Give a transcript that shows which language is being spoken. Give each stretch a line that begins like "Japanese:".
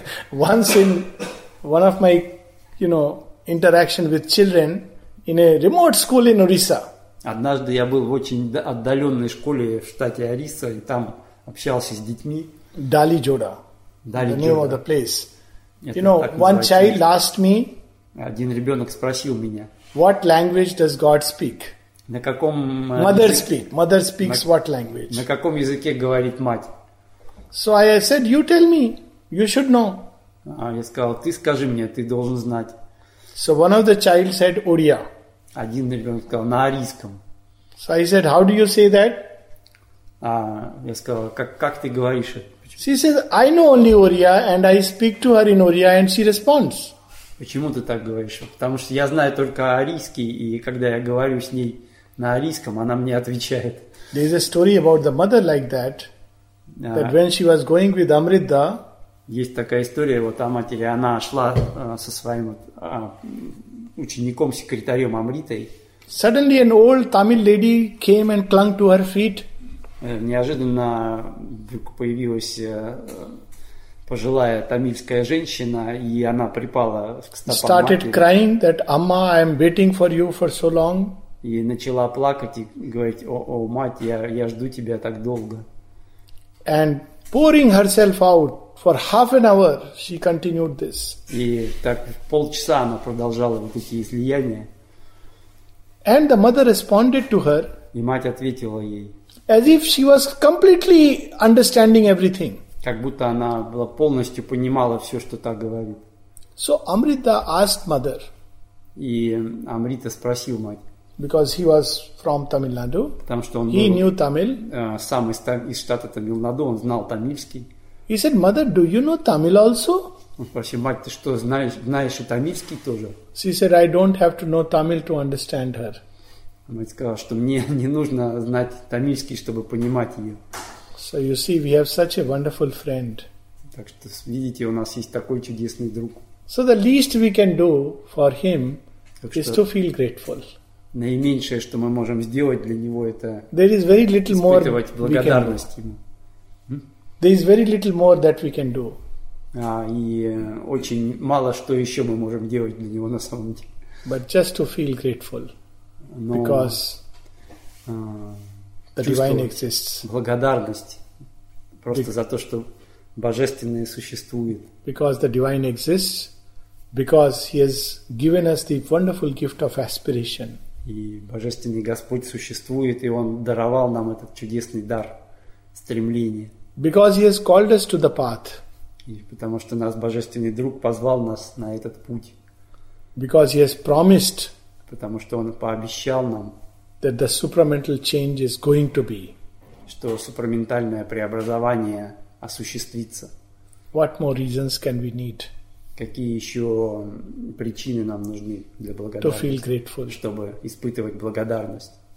English: Once in one of my, you know, interaction with children, in a remote school in Orissa.
Russian: Однажды я был в очень отдаленной школе в штате Ориса и там общался с детьми.
English: Dali Joda. Dali Joda. The name of the place. You know, one child asked me.
Russian: Один ребенок спросил меня.
English: What language does God speak?
Russian: На каком?
English: Mother speak. Mother speaks what language?
Russian: На каком языке говорит мать?
English: So I said, you tell me. You should know.
Russian: А я сказал, ты скажи мне, ты должен знать.
English: So one of the child said Odia.
Russian: Один ребенок сказал на арийском.
English: So I said, how do you say that?
Russian: А я сказал, как ты говоришь это?
English: She says, I know only Odia, and I speak to her in Odia, and she responds.
Russian: Почему ты так говоришь? Потому что я знаю только арийский, и когда я говорю с ней на арийском, она мне отвечает.
English: There is a story about the mother like that. That when she was going with Amrita.
Russian: Есть такая история, вот о матери, она шла со своим учеником-секретарем Амритой.
English: Suddenly an old Tamil lady came and clung to her feet.
Russian: Неожиданно появилась пожилая тамильская женщина, и она припала к стопам матери.
English: Started crying that, Amma, I am waiting for you for so long.
Russian: И начала плакать и говорить, о мать, я жду тебя так долго.
English: And pouring herself out for half an hour, she continued this.
Russian: И так полчаса она продолжала вот эти излияния.
English: And the mother responded to her.
Russian: И мать ответила ей.
English: As if she was completely understanding everything.
Russian: Как будто она была полностью понимала все, что та говорит.
English: So Amrita asked mother.
Russian: И Амрита спросил мать.
English: Because he was from Tamil Nadu.
Russian: Потому что он
English: he
Russian: был,
English: knew Tamil.
Russian: Сам из штата Tamil Nadu, он знал тамильский.
English: He said, mother, do you know Tamil also?
Russian: Он спросил, мать, ты что, знаешь и тамильский тоже?
English: She said, I don't have to know Tamil to understand her.
Russian: Мать сказала, что мне не нужно знать тамильский, чтобы понимать ее.
English: So you see, we have such a wonderful friend.
Russian: Так что, видите, у нас есть такой чудесный друг.
English: So the least we can do for him is to feel grateful.
Russian: Наименьшее, что мы можем сделать для него, это
English: there is very little
Russian: испытывать
English: more
Russian: благодарность ему.
English: There is very little more that we can do.
Russian: А, и очень мало что еще мы можем делать для него на самом деле.
English: But just to feel grateful.
Russian: Но,
English: because the divine exists.
Russian: Благодарность просто за то, что божественное существует.
English: Because the divine exists. Because he has given us the wonderful gift of aspiration.
Russian: И божественный Господь существует, и Он даровал нам этот чудесный дар стремления.
English: Because he has called us to the path.
Russian: И потому что нас божественный друг позвал нас на этот путь.
English: Because he has promised.
Russian: Потому что Он пообещал нам.
English: That the supramental change is going to be.
Russian: Что супраментальное преобразование осуществится.
English: What more reasons can we need?
Russian: Какие еще причины нам нужны для благодарности?
English: To feel grateful.
Russian: Чтобы испытывать благодарность.